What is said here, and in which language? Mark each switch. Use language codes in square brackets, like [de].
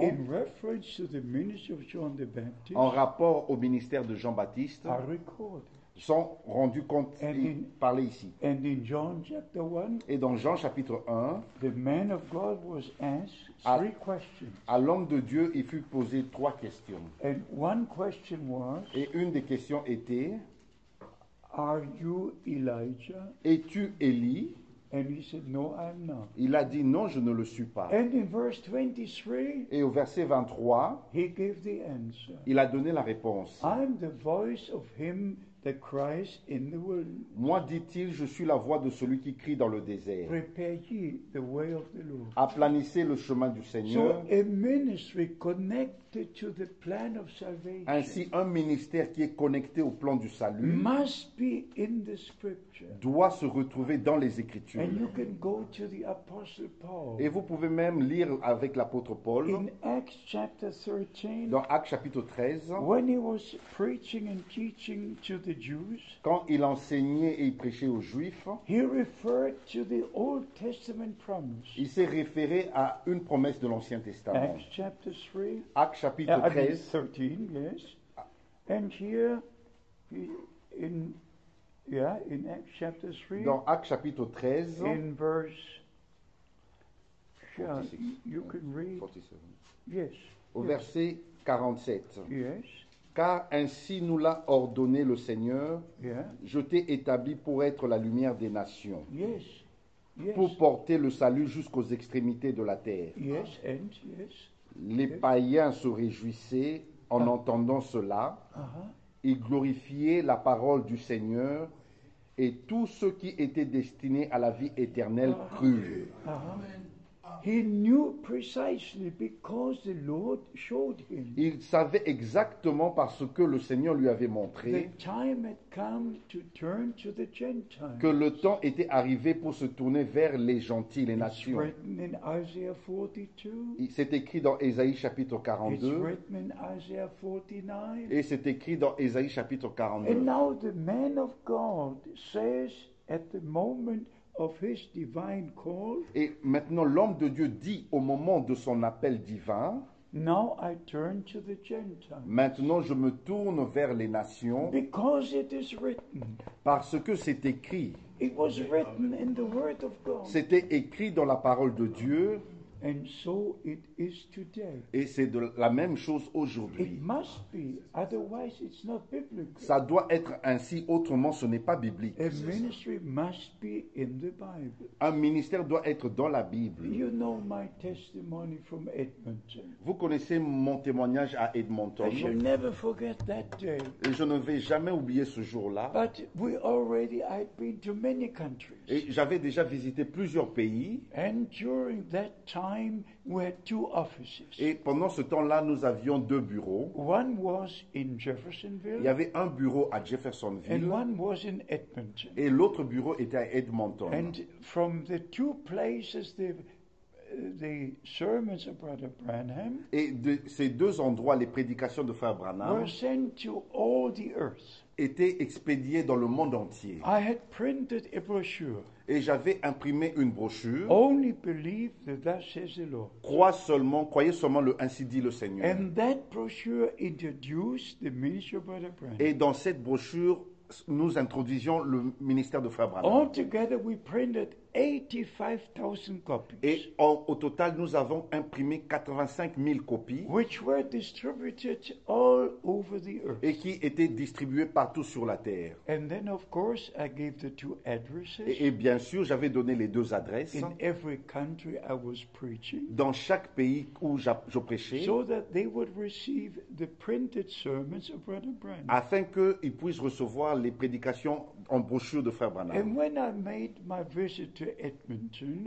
[en] In reference to the ministry of John the Baptist. [fr] En rapport au ministère de Jean-Baptiste. [en] Are recorded. [fr] Sont rendus compte et parlés ici. [en] And in John chapter 1, [fr] et dans Jean chapitre 1, [en] the man of God was asked three questions. [fr] À l'homme de Dieu, il fut posé trois questions. [en] And one question was, [fr] et une des questions était, [en] are you Elijah? [fr] Es-tu Élie? [en] And he said, no, I'm not. [fr] Il a dit, non, je ne le suis pas. [en] And in verse 23, [fr] et au verset 23, [en] he gave the answer. [fr] Il a donné la réponse. [en] I'm the voice of him that cries in the wilderness. [fr] Moi, dit-il, je suis la voix de celui qui crie dans le désert. [en] Prepare ye the way of the Lord. [fr] Aplanissez le chemin du Seigneur. [en] So a ministry connected to the plan of salvation. [fr] Ainsi, un ministère qui est connecté au plan du salut [en] must be in the scripture. [fr] Doit se retrouver dans les Écritures. [en] And you can go to the Apostle Paul. [fr] Et vous pouvez même lire avec l'apôtre Paul. [en] In Acts chapter 13. [fr] Dans Actes chapitre 13. [en] When he was preaching and teaching to the Jews, [fr] quand il enseignait et il prêchait aux Juifs, [en] he referred to the Old Testament promise. [fr] Il s'est référé à une promesse de l'Ancien Testament. [en] Acts chapter 3. [fr] Acts chapitre 13. [en] 13, yes. And here, in Acts chapter 3. [fr] Dans Acts chapitre 13. [en] In verse 46. You can read. 47. Yes. [fr] Au [en] yes. [fr] Verset 47. [en] Yes. [fr] Car ainsi nous l'a ordonné le Seigneur, [en] yeah. [fr] Je t'ai établi pour être la lumière des nations, [en] yes. Yes. [fr] Pour porter le salut jusqu'aux extrémités de la terre. [en] Yes. And yes. [fr] Les [en] yes. [fr] Païens se réjouissaient en entendant cela, uh-huh. Et glorifiaient la parole du Seigneur, et tous ceux qui étaient destinés à la vie éternelle crurent. Uh-huh. [en] He knew precisely because the Lord showed him. [fr] Il savait exactement parce que le Seigneur lui avait montré. [en] The time had come to turn to the Gentiles. [fr] Que le temps était arrivé pour se tourner vers les gentils, les nations. [en] It's written in Isaiah 42. [fr] C'est écrit dans Ésaïe chapitre 42. [en] It's written in Isaiah 49. [fr] Et c'est écrit dans Ésaïe chapitre 42. [en] And now the man of God says at the moment of his divine call. [fr] Et maintenant l'homme de Dieu dit au moment de son appel divin, [en] now I turn to the Gentiles. [fr] Maintenant je me tourne vers les nations. [en] Because it is written. [fr] Parce que c'est écrit. [en] It was written in the word of God. [fr] C'était écrit dans la parole de Dieu. [en] And so it is today. [fr] Et c'est de la même chose aujourd'hui. [en] It must be, otherwise it's not biblical. [fr] Ça doit être ainsi, autrement ce n'est pas biblique. [en] A ministry must be in the Bible. [fr] Un ministère doit être dans la Bible. [en] You know my testimony from Edmonton. [fr] Vous connaissez mon témoignage à Edmonton. [en] I shall never forget that day. [fr] Et je ne vais jamais oublier ce jour-là. [en] But we already had been to many countries. [fr] Et j'avais déjà visité plusieurs pays. [en] And during that time, time we had two offices. [fr] Et pendant ce temps-là, nous avions deux bureaux. [en] One was in Jeffersonville. [fr] Il y avait un bureau à Jeffersonville. [en] And one was in Edmonton. [fr] Et l'autre bureau était à Edmonton. [en] And from the two places the sermons of Brother Branham. [fr] Et de ces deux endroits, les prédications de Frère Branham [en] were sent to all the earth. [fr] Étaient expédiées dans le monde entier. [en] I had printed a brochure. [fr] Et j'avais imprimé une brochure. [en] Only believe that says the Lord. [fr] Croyez seulement le ainsi dit le Seigneur. [en] And that brochure introduced the ministry of Brother Branham. [fr] Et dans cette brochure, nous introduisions le ministère de Frère Branham. [en] All together, we printed 85,000 copies. [fr] Et au total, nous avons imprimé 85 000 copies. [en] Which were distributed all over the earth. [fr] Et qui étaient distribuées partout sur la terre. [en] And then, of course, I gave the two addresses. [fr] Et bien sûr, j'avais donné les deux adresses. [en] In every country I was preaching. [fr] Dans chaque pays où je prêchais. [en] So that they would receive the printed sermons of Brother Branham. [fr] Afin qu'ils puissent recevoir les prédications en brochure de Frère Branham. [en] And when I made my visit to Edmonton.